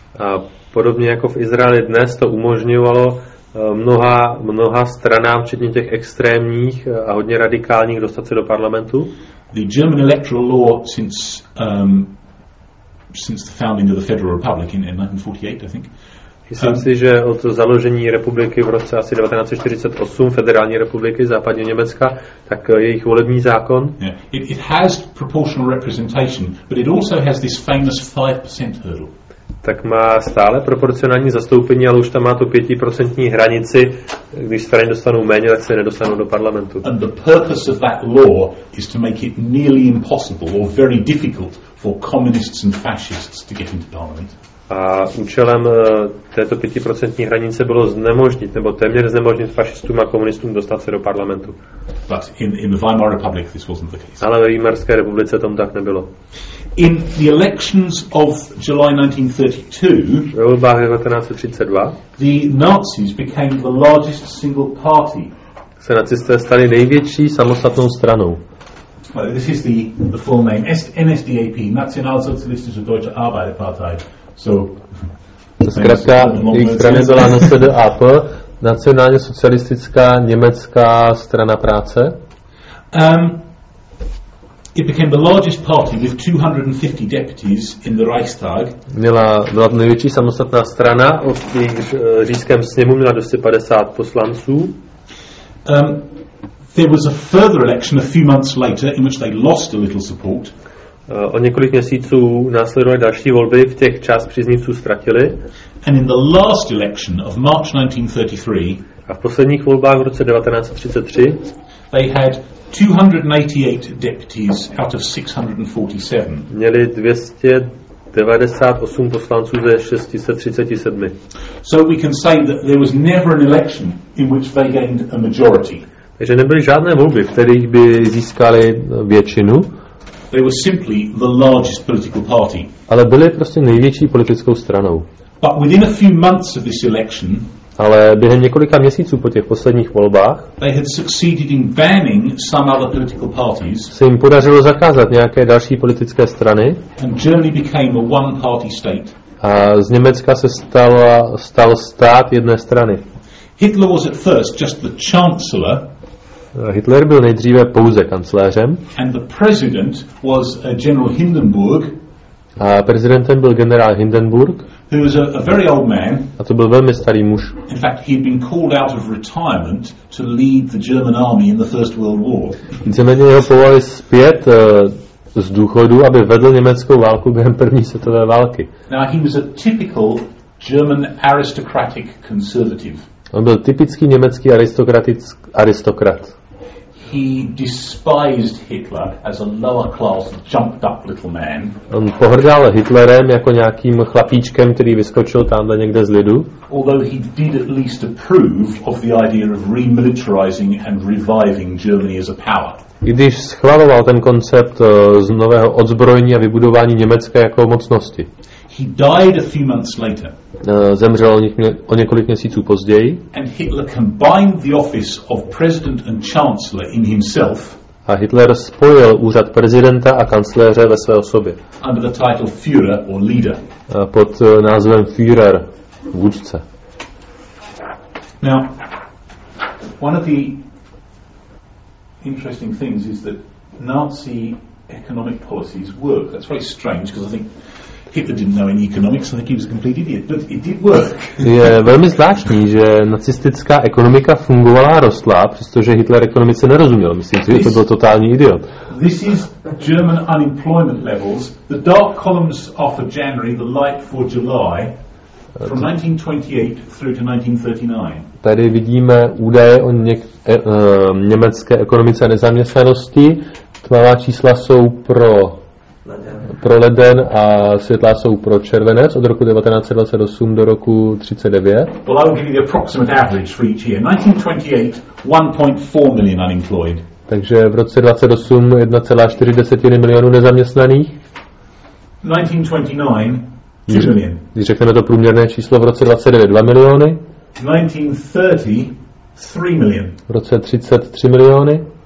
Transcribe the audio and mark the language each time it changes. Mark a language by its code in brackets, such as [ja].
[cs] A podobně jako v Izraeli dnes to umožňovalo mnoha stranám, včetně těch extrémních a hodně radikálních, dostat se do parlamentu. [en] The German electoral law since the founding of the Federal Republic in 1948, I think. [cs] Myslím si, že od založení republiky v roce asi 1948, federální republiky západně Německa, tak jejich volební zákon. [en] It has proportional representation, but it also has this famous 5% hurdle. [cs] Tak má stále proporcionální zastoupení, ale už tam má tu 5% hranici, když strany dostanou méně, tak se nedostanou do parlamentu. [en] And the purpose of that law is to make it nearly impossible or very difficult for communists and fascists to get into parliament. [cs] A účelem této 5% hranice bylo znemožnit, nebo téměř znemožnit fašistům a komunistům dostat se do parlamentu. [en] But in the Weimar Republic this wasn't the case. [cs] Ale ve Weimarské republice tomu tak nebylo. [en] In the elections of July 1932, [cs] ve volbách 1932, [en] the Nazis became the largest single party. [cs] Se nacisté stali největší samostatnou stranou. [en] Well, this is the full name, NSDAP, Nationalsozialistische Deutsche Arbeiterpartei. [cs] To zkrátka, jejich strany byla NSDAP, Nacionálně socialistická německá strana práce. [en] It became the largest party with 250 deputies in the Reichstag. [cs] Byla největší samostatná strana, od jejich říšském sněmu měla 250 poslanců. [en] There was a further election a few months later in which they lost a little support. [cs] O několik měsíců následovaly další volby, v těch část příznivců ztratili. [en] And in the last election of March 1933, [cs] a v posledních volbách v roce 1933, [en] they had 288 deputies out of 647. [cs] Měli 298 poslanců ze 637. [en] So we can say that there was never an election in which they gained a majority. [cs] Takže nebyly žádné volby, v kterých by získali většinu. [en] They were simply the largest political party. [cs] Ale byly prostě největší politickou stranou. [en] But within a few months of this election, [cs] ale během několika měsíců po těch posledních volbách, [en] they had succeeded in banning some other political parties, [cs] se jim podařilo zakázat nějaké další politické strany, [en] and Germany became a one-party state. [cs] A z Německa se stal stát jedné strany. [en] Hitler was at first just the chancellor. [cs] Hitler byl nejdříve pouze kancléřem. [en] And the president was General Hindenburg. [cs] A prezidentem byl generál Hindenburg. [en] He was a very old man. [cs] A to byl velmi starý muž. [en] In fact, he had been called out of retirement to lead the German army in the First World War. [cs] Nicméně jeho povolali zpět z důchodu, aby vedl německou válku během první světové války. [en] Now he was a typical German aristocratic conservative. [cs] On byl typický německý aristokrat. [en] He despised Hitler as a lower class jumped up little man. [cs] On pohrdal Hitlerem jako nějakým chlapíčkem, který vyskočil tamhle někde z lidu. [en] Although he did at least approve of the idea of remilitarizing and reviving Germany as a power. [cs] Když schvaloval ten koncept z nového odzbrojení a vybudování Německa jako mocnosti. [en] He died a few months later. [cs] Zemřel o několik měsíců později. [en] And Hitler combined the office of president and chancellor in himself. [cs] A Hitler spojil úřad prezidenta a kancléře ve své osobě. [en] Under the title Führer or leader. [cs] Pod názvem Führer, vůdce. [en] Now, one of the interesting things is that Nazi economic policies work. That's very strange because I think Hitler didn't know any economics, I think he was a complete idiot, but it did work. [cs] Je velmi zvláštní, že nacistická ekonomika fungovala a rostla, přestože Hitler ekonomice nerozuměl. Myslím si, že to byl totální idiot. [en] This is German unemployment levels. The dark columns are for January, the light for July. From 1928 through to 1939. [cs] Tady vidíme údaje o německé ekonomice a nezaměstnanosti. Tmavá čísla jsou pro leden a světlá jsou pro červenec od roku 1928 do roku 39. [en] Well, I will give you the approximate average for each year. 1928, 1.4 million unemployed. [cs] Takže v roce 28 1,4 milionu nezaměstnaných. [en] 1929 2 [cs] Když řekneme to průměrné číslo v roce 29, 2 miliony. [en] 1930, 3 milion. [cs] V roce 30, 3 miliony.